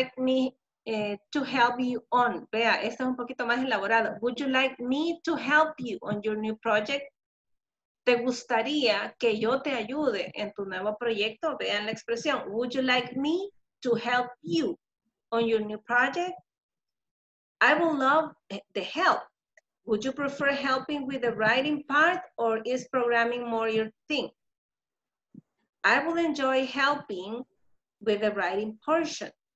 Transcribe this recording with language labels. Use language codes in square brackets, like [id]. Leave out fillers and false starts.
[en] Would you like me to help you on? [es] Vea, esto es un poquito más elaborado. [en] Would you like me to help you on your new project? [es] ¿Te gustaría que yo te ayude en tu nuevo proyecto? Vean la expresión. [en] Would you like me to help you on your new project? I would love the help. Would you prefer helping with the writing part or is programming more your thing? I will enjoy helping with the writing portion.